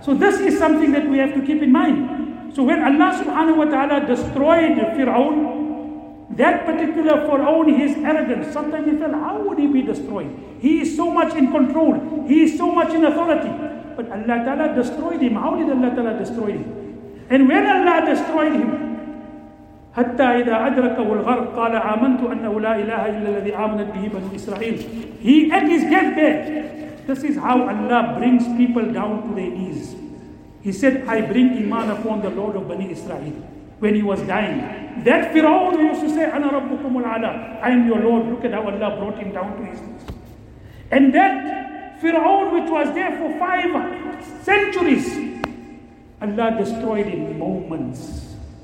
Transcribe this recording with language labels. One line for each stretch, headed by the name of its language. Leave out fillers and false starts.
English: So this is something that we have to keep in mind. So when Allah subhanahu wa ta'ala destroyed Fir'aun, that particular Fir'aun, his arrogance, sometimes he felt, how would he be destroyed? He is so much in control. He is so much in authority. But Allah ta'ala destroyed him. How did Allah ta'ala destroy him? And when Allah destroyed him,
Arabic: حتى إذا أدركه الغرق قال آمنت أنه لا إله إلا الذي آمنت به بنو إسرائيل.
English: He at his deathbed. This is how Allah brings people down to their knees. He said, I bring iman upon the Lord of Bani Israel. When he was dying, that Fir'aun used to say,
Arabic: أنا ربكم العلا.
English: I am your Lord. Look at how Allah brought him down to his knees. And that Fir'aun, which was there for 5 centuries, Allah destroyed in moments.